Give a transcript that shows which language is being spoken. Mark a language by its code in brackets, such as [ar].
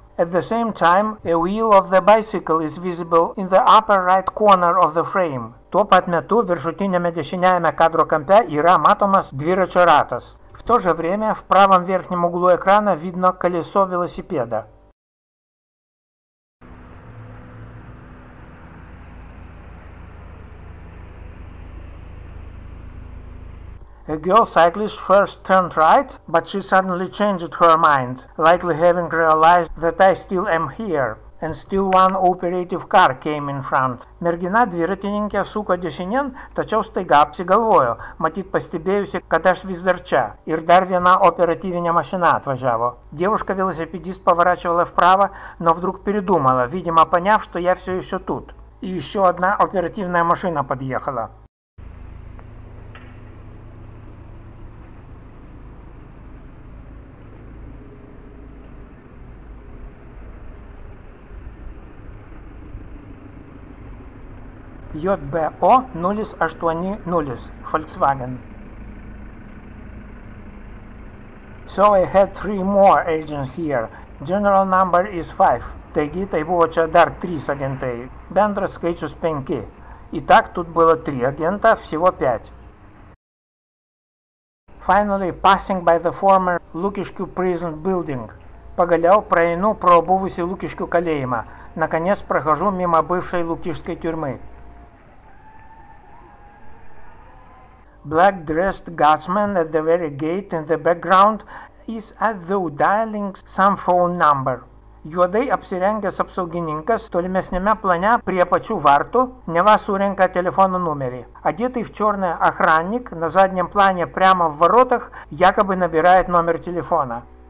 [en] At the same time, a wheel of the bicycle is visible in the upper right corner of the frame. [lt] Tuo pat metu viršutiniame dešiniajame kadro kampe yra matomas dviračio ratas. [ru] В то же время в правом верхнем углу экрана видно колесо велосипеда. [en] A girl cyclist first turned right, but she suddenly changed her mind, likely having realized that I still am here, and still one operative car came in front. [lt] Mergina dviratininkė suko dešinien, tačiau staiga apsigalvojo, matyt pastebėjusi, kad aš vis dar čia, ir dar viena operatyvinė mašina atvažiavo. [ru] Девушка велосипедист поворачивала вправо, но вдруг передумала, видимо поняв, что я все еще тут. И еще одна оперативная машина подъехала. JBO 080 Volkswagen. [en] So I had three more agents here. General number is 5. [lt] Taigi, tai buvo čia dar 3 agentai. Bendras skaičius 5. [ru] Итак, тут было 3 агента, всего 5. [en] Finally, passing by the former Lukiškių prison building. [lt] Pagaliau praeinu pro buvusį Lukiškių kalėjimą. [ru] Наконец, прохожу мимо бывшей Лукишской тюрьмы. [en] Black-dressed guardsman at the very gate in the background is as though dialing some phone number. [lt] Juodai apsirengęs apsaugininkas tolimesniame plane prie pačių vartų neva surenka telefono numerį. [ru] Одетый в черное охранник на заднем плане прямо в воротах якобы набирает номер телефона.